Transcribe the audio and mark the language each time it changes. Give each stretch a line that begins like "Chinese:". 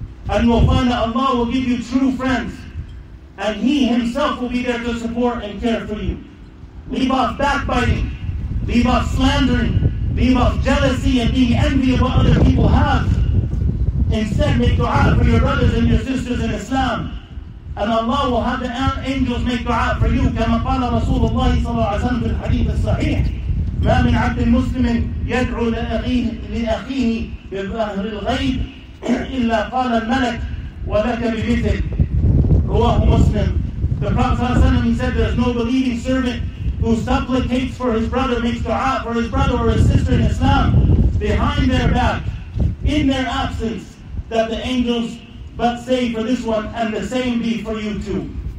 English: And you will find that Allah will give you true friends. And He Himself will be there to support and care for you. Leave off backbiting. Leave off slandering. Leave off jealousy and being envy of what other people have. Instead, make dua for your brothers and your sisters in Islam. And Allah will have the angels make dua for you.
Arabic: كما قال رسول الله صلى الله عليه وسلم في الحديث الصحيح. ما من عبد مسلم يدعو لأخيه بظهر الغيب إلا قال الملك ولك بمثل رواه مسلم.
English: The Prophet صلى الله عليه وسلم, he said, there is no believing servant who supplicates for his brother, makes dua for his brother or his sister in Islam behind their back, in their absence, that the angels but say for this one and the same be for you too.